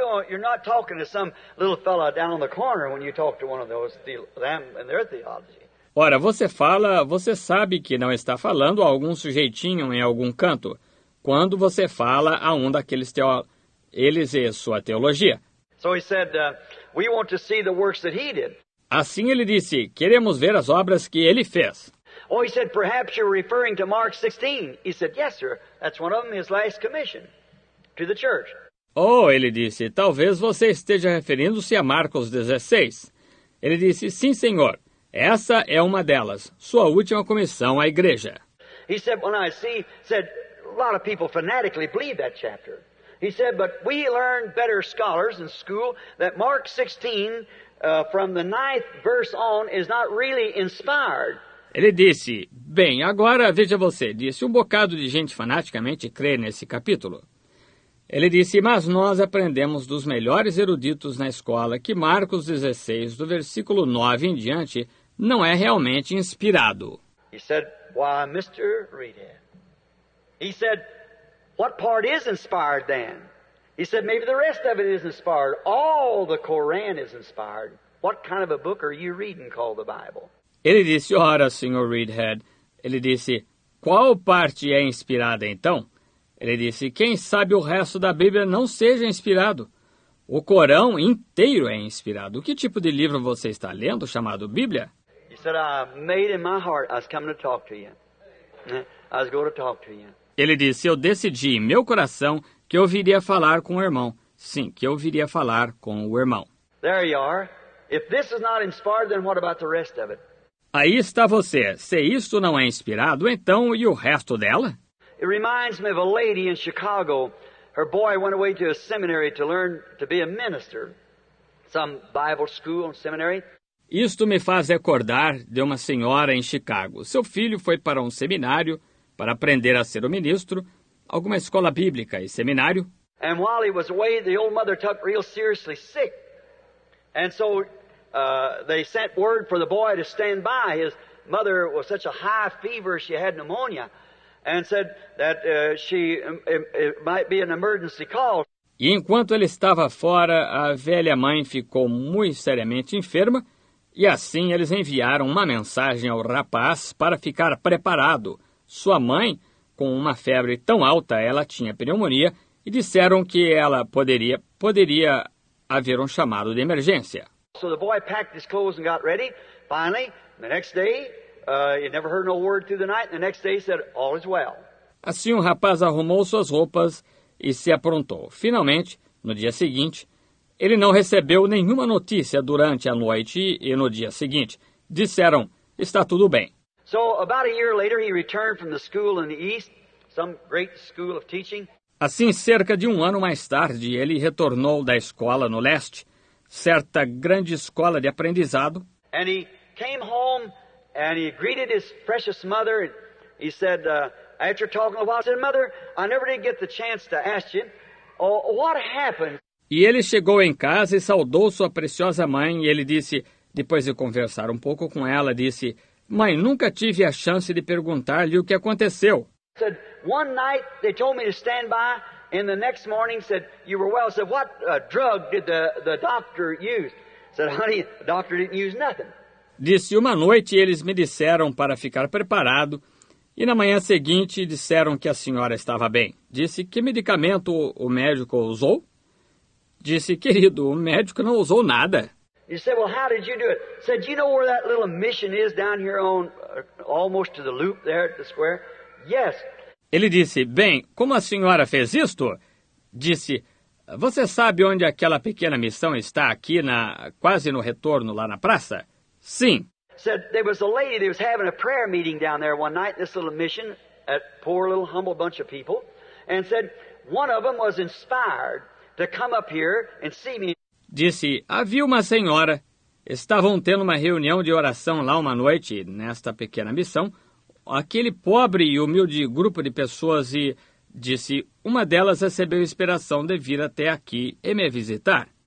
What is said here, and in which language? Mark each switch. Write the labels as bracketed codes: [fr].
[en] You're not talking to some little fella down on the corner when you talk to one of those them and their theology. [pt] Ora, você sabe que não está falando a algum sujeitinho em algum canto quando você fala a um daqueles eles e sua teologia. [en] So he said, we want to see the works that he did. [pt] Assim ele disse, queremos ver as obras que ele fez. [en] Oh, he said, perhaps you're referring to Mark 16. He said, yes, sir. That's one of them, his last commission to the church. [pt] Oh, ele disse, talvez você esteja referindo-se a Marcos 16. Ele disse, sim, senhor. Essa é uma delas, sua última comissão à igreja. [en] He said, well, now, see, said, a lot of people fanatically believe that chapter. He said, but we learned better scholars in school that Mark 16, from the ninth verse on, is not really inspired. [pt] Ele disse, bem, agora veja você, disse um bocado de gente fanaticamente crê nesse capítulo. Ele disse, mas nós aprendemos dos melhores eruditos na escola que Marcos 16, do versículo 9 em diante, não é realmente inspirado. [en] He said, why, Mr. Reader? He said, what part is inspired then? He said, maybe the rest of it is inspired. All the Koran is inspired. What kind of a book are you reading called the Bible? [pt] Ele disse, ora, Sr. Reedhead, ele disse, qual parte é inspirada então? Ele disse, quem sabe o resto da Bíblia não seja inspirado. O Corão inteiro é inspirado. Que tipo de livro você está lendo, chamado Bíblia? [en] He said, I made in my heart, I was coming to talk to you. I was going to talk to you. [pt] Ele disse, eu decidi em meu coração que eu viria falar com o irmão. Sim, que eu viria falar com o irmão. [en] There you are. If this is not inspired, then what about the rest of it? [pt] Aí está você. Se isto não é inspirado, então e o resto dela? [en] It reminds me of a lady in Chicago. Her boy went away to a seminary to learn to be a minister. Some Bible school and seminary. [pt] Isto me faz recordar de uma senhora em Chicago. Seu filho foi para um seminário para aprender a ser um ministro, alguma escola bíblica e seminário. [en] And while he was away, the old mother took real seriously sick. And so they sent word for the boy to stand by. His mother was such a high fever, she had pneumonia, and said that it might be an emergency call. [pt] E enquanto ele estava fora, a velha mãe ficou muito seriamente enferma, e assim eles enviaram uma mensagem ao rapaz para ficar preparado. Sua mãe, com uma febre tão alta, ela tinha pneumonia, e disseram que ela poderia haver um chamado de emergência. [en] So the boy packed his clothes and got ready. Finally, the next day, he never heard no word through the night, and the next day he said, all is well. [pt] Assim, o rapaz arrumou suas roupas e se aprontou. Finalmente, no dia seguinte, ele não recebeu nenhuma notícia durante a noite e no dia seguinte. Disseram, está tudo bem. [en] So, about a year later, he returned from the school in the East, some great school of teaching. [pt] Assim, cerca de um ano mais tarde, ele retornou da escola no leste, certa grande escola de aprendizado. [en] And he came home and he greeted his precious mother. He said, after talking a while, I said, mother, I never did get the chance to ask you, what happened? [pt] E ele chegou em casa e saudou sua preciosa mãe. E ele disse, depois de conversar um pouco com ela, disse, mãe, nunca tive a chance de perguntar-lhe o que aconteceu. [en] He said, one night they told me to stand by. And the next morning said, you were well. I said, what drug did the doctor use? I said, honey, the doctor didn't use nothing. [pt] Disse, uma noite eles me disseram para ficar preparado, e na manhã seguinte disseram que a senhora estava bem. Disse, que medicamento o médico usou? Disse, querido, o médico não usou nada. [en] He said, well, how did you do it? I said, do you know where that little mission is down here on, almost to the loop there at the square? Yes. [pt] Ele disse, bem, como a senhora fez isto? Disse, você sabe onde aquela pequena missão está aqui, quase no retorno lá na praça? Sim. [en] Said there was a lady that was having a prayer meeting down there one night, this little mission, at poor little humble bunch of people, and said one of them was inspired to come up here and see me. [pt] Disse, havia uma senhora, estavam tendo uma reunião de oração lá uma noite, nesta pequena missão, aquele pobre e humilde grupo de pessoas, e disse, uma delas recebeu inspiração de vir até aqui e me visitar.